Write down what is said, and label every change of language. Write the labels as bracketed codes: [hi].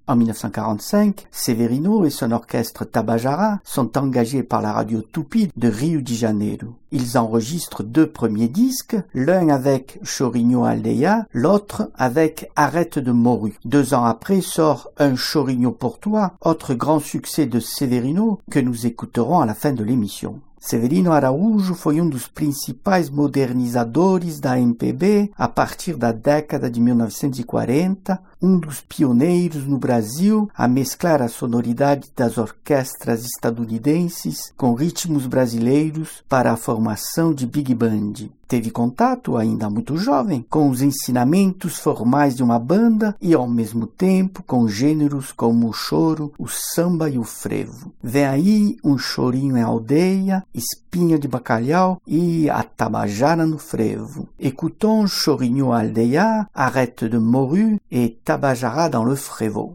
[fr] En 1945, Severino et son orchestre Tabajara sont engagés par la radio Tupi de Rio de Janeiro. Ils enregistrent 2 premiers disques, l'un avec Chorinho Aldeia, l'autre avec Arrête de Moru. 2 ans après sort Un Chorinho pour toi, autre grand succès de Severino que nous écouterons à la fin de l'émission. [pt] Severino Araújo foi dos principais modernizadores da MPB a partir da década de 1940, dos pioneiros no Brasil a mesclar a sonoridade das orquestras estadunidenses com ritmos brasileiros para a formação de big band. Teve contato, ainda muito jovem, com os ensinamentos formais de uma banda e, ao mesmo tempo, com gêneros como o choro, o samba e o frevo. Vem aí Um Chorinho em Aldeia, Espinha de Bacalhau e A Tabajara no Frevo. [fr] Écoutons Chorinho Aldeia, Arrête de Moru e Tabajara dans le Frevo.